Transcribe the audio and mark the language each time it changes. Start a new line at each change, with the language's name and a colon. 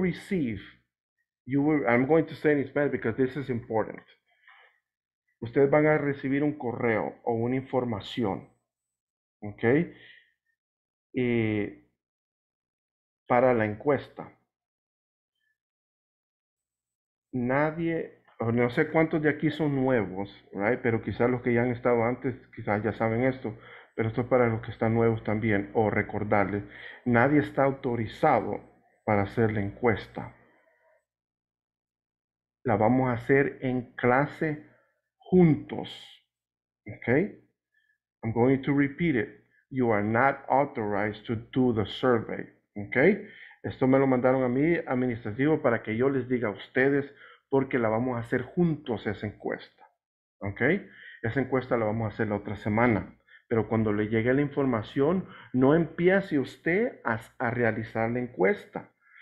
English: I'm going to say in Spanish because this is important.
Spanish: Ustedes van a recibir un correo o una información. Okay. Para la encuesta. Nadie, no sé cuántos de aquí son nuevos, right? Pero quizás los que ya han estado antes, quizás ya saben esto, pero esto es para los que están nuevos también, o recordarles, nadie está autorizado para hacer la encuesta. La vamos a hacer en clase juntos, okay?
English: I'm going to repeat it. You are not authorized to do the survey, okay?
Spanish: Esto me lo mandaron a mí, administrativo, para que yo les diga a ustedes, porque la vamos a hacer juntos esa encuesta, okay? Esa encuesta la vamos a hacer la otra semana, pero cuando le llegue la información, no empiece usted a realizar la encuesta.